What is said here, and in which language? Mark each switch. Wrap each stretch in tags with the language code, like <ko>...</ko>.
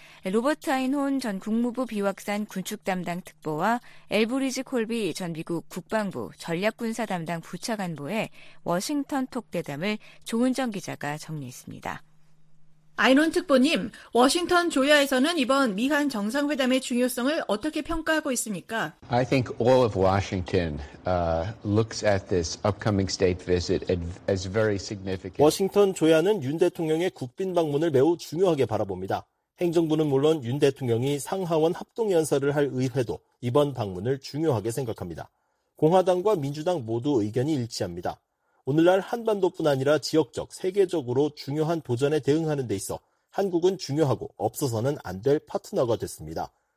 <ko>로버트 아인혼 전 국무부 비확산 군축 담당 특보와 엘브리지 콜비 전 미국 국방부 전략군사 담당 부차관보의 워싱턴 톡 대담을 조은정 기자가 정리했습니다. 아인혼 특보님, 워싱턴 조야에서는 이번 미한 정상회담의 중요성을 어떻게 평가하고 있습니까?</ko> <en>I think all of Washington looks at this upcoming state visit as very significant.</en> <ko>워싱턴 조야는 윤 대통령의 국빈 방문을 매우 중요하게 바라봅니다. 행정부는 물론 윤 대통령이 상하원 합동연설을 할 의회도 이번 방문을 중요하게 생각합니다. 공화당과 민주당 모두 의견이 일치합니다. 오늘날 한반도뿐 아니라 지역적, 세계적으로 중요한 도전에 대응하는 데 있어 한국은 중요하고 없어서는 안 될 파트너가 됐습니다.</ko>